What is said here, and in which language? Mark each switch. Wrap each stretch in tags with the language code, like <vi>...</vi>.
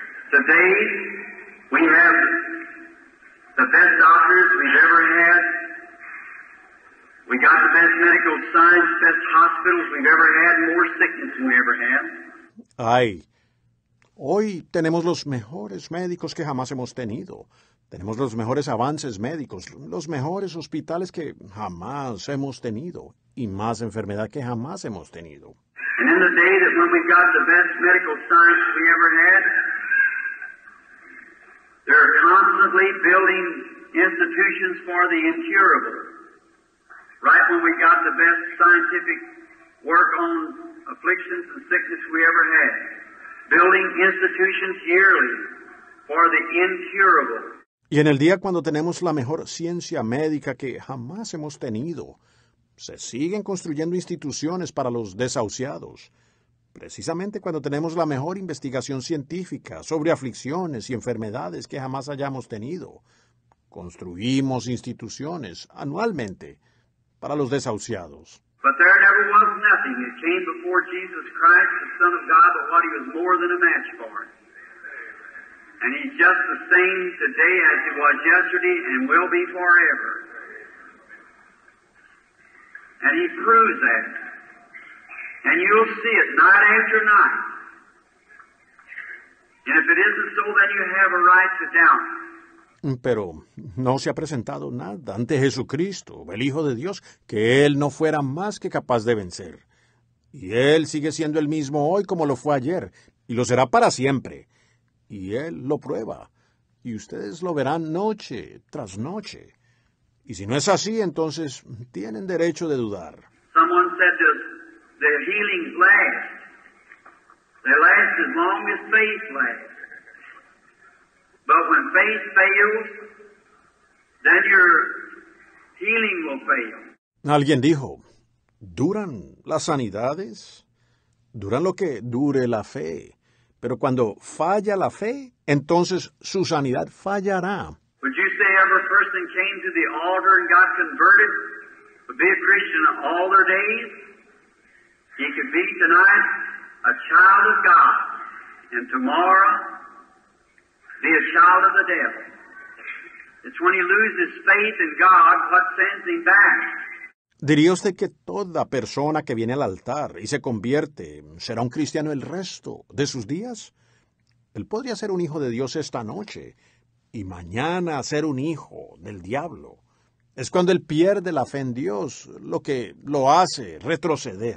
<en>Today we have the best doctors we've ever had. We got the best medical science, best hospitals we've ever had, more sickness than we ever had.</en> <es>Ay, hoy tenemos los mejores médicos que jamás hemos tenido. Tenemos los mejores avances médicos, los mejores hospitales que jamás hemos tenido y más enfermedad que jamás hemos tenido.</es> <en>And in the day that when we got the best medical science we ever had, they're constantly building institutions for the incurable. Right when we got the best scientific work on afflictions and sickness we ever had, building institutions yearly for the incurable.</en> <es>Y en el día cuando tenemos la mejor ciencia médica que jamás hemos tenido, se siguen construyendo instituciones para los desahuciados. Precisamente cuando tenemos la mejor investigación científica sobre aflicciones y enfermedades que jamás hayamos tenido, construimos instituciones anualmente para los desahuciados.</es> <en>But there never was nothing that came before Jesus Christ, the Son of God, but what he was more than a match for. And he's just the same today as he was yesterday and will be forever. And he proves that. And you'll see it night after night. And if it isn't so, then you have a right to doubt.</en> <es>Pero no se ha presentado nada ante Jesucristo, el Hijo de Dios, que él no fuera más que capaz de vencer. Y él sigue siendo el mismo hoy como lo fue ayer, y lo será para siempre. Y él lo prueba, y ustedes lo verán noche tras noche. Y si no es así, entonces tienen derecho de dudar.</es> <en>Someone said that the healings last. They last as long as faith lasts. But when faith fails, then your healing will fail.</en> <es>Alguien dijo, ¿duran las sanidades? ¿Duran lo que dure la fe? Pero cuando falla la fe, entonces su sanidad fallará.</es> <en>Would you say every person came to the altar and got converted would be a Christian all their days? He could be tonight a child of God and tomorrow be a child of the devil. It's when he loses faith in God what sends him back.</en> <es>¿Diría usted que toda persona que viene al altar y se convierte será un cristiano el resto de sus días? Él podría ser un hijo de Dios esta noche y mañana ser un hijo del diablo. Es cuando él pierde la fe en Dios lo que lo hace retroceder.</es>